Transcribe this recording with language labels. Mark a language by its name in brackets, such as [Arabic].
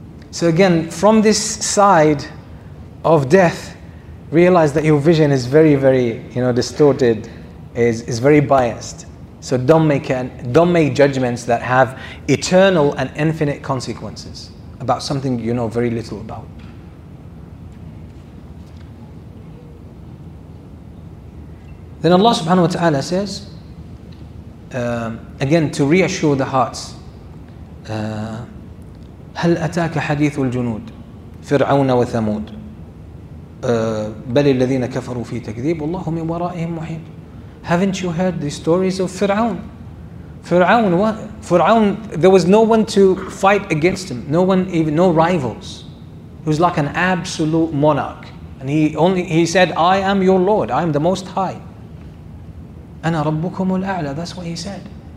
[English] So again, from this side of death, realize that your vision is very, very, you know, distorted, is very biased. So don't make judgments that have eternal and infinite consequences about something you know very little about. Then Allah subhanahu wa ta'ala says, again, to reassure the hearts, [Arabic] هَلْ أَتَاكَ حَدِيثُ الْجُنُودِ فِرْعَوْنَ وَثَمُودِ بَلِ الَّذِينَ كَفَرُوا فِي تَكْذِيبُ وَاللَّهُ مِنْ وَرَائِهِمْ مُحِيطٌ. [English] Haven't you heard the stories of Fir'aun? Fir'aun, there was no one to fight against him. No one, even no rivals. He was like an absolute monarch. And he said, I am your Lord. I am the Most High. [Arabic] أَنَا رَبُّكُمُ الْأَعْلَى. [English] That's what he said.